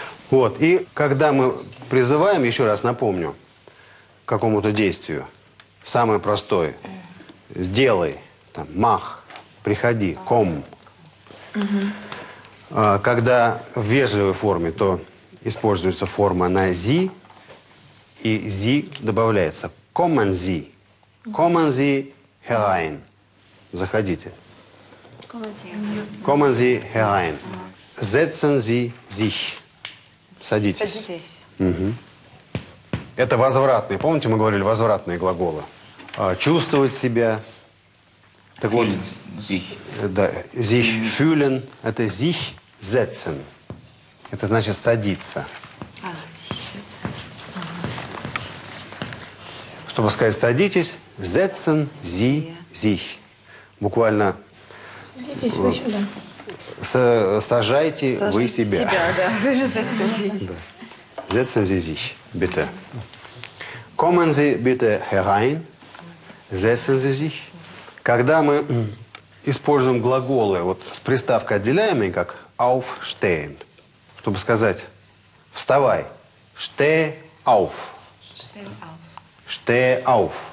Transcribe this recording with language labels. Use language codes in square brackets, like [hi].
[ru] Вот. И когда мы призываем, еще раз напомню, к какому-то действию, самое простое, сделай, там, mach. Приходи, ком. Когда в вежливой форме, то используется форма на зи, и зи добавляется. [de] Kommen Sie. Kommen Sie herein. [ru] Заходите. [de] Kommen Sie herein. setzen Sie sich. [ru] Садитесь. Угу. Это возвратные. Помните, мы говорили возвратные глаголы? Чувствовать себя. Так вот, [de] fühlen sich. Да, sich fühlen. Это sich setzen. [ru] Это значит садиться. Чтобы сказать садитесь, [de] setzen Sie sich. [ru] Буквально сажайте вы себя. [de] Setzen Sie sich, bitte. Kommen Sie bitte herein. Setzen Sie sich. [ru] Когда мы используем глаголы вот с приставкой отделяемой, как aufstehen, чтобы сказать вставай. [de] Steh auf. Steh auf.